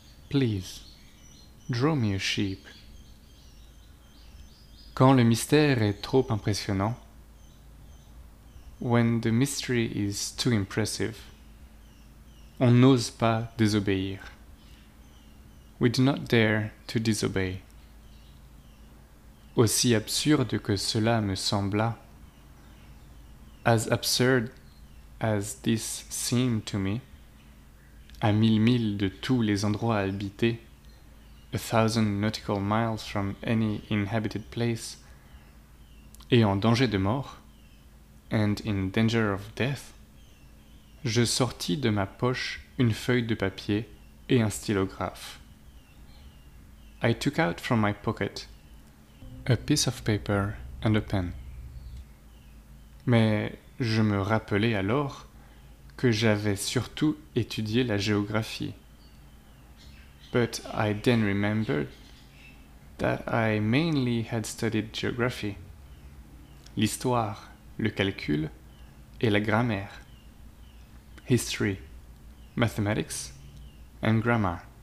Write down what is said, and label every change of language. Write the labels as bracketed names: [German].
[English] Please, draw me a sheep. [French] Quand le mystère est trop impressionnant, [English] when the mystery is too impressive, [French] on n'ose pas désobéir. [English] We do not dare to disobey. [French] Aussi absurde que cela me sembla, [English] as absurd as this seemed to me, [French] à 1000 miles de tous les endroits habités, [English] 1,000 nautical miles from any inhabited place, [French] et en danger de mort, [English] and in danger of death, [French] je sortis de ma poche une feuille de papier et un stylographe. [English] I took out from my pocket a piece of paper and a pen. [French] Mais je me rappelais alors que j'avais surtout étudié la géographie. [English] But I then remembered that I mainly had studied geography, [French] l'histoire, le calcul et la grammaire, [English] history, mathematics and grammar.